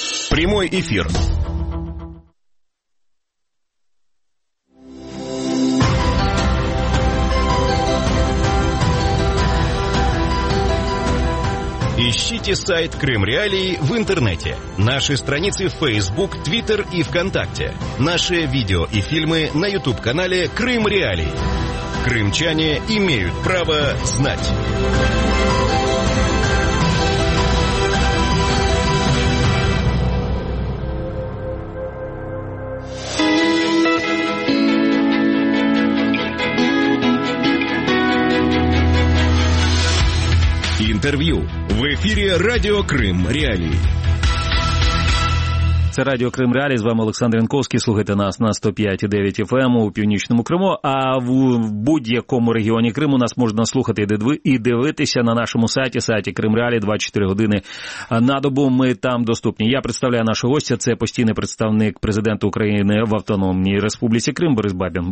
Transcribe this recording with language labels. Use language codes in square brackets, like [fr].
[ru] Прямой эфир. Ищите сайт Крым Реалии в интернете. Наши страницы в Facebook, Twitter и ВКонтакте. Наши видео и фильмы на YouTube-канале Крым Реалии. Крымчане имеют право знать. Интервью в эфире «Радио Крым Реалии». [uk] Це Радіо Крим Реалі. З вами Олександр Янковський. Слухайте нас на 105.9 FM у північному Криму. А в будь-якому регіоні Криму нас можна слухати і дивитися на нашому сайті Крим Реалі 24 години на добу. Ми там доступні. Я представляю нашого гостя. Це постійний представник президента України в Автономній Республіці Крим Борис Бабін.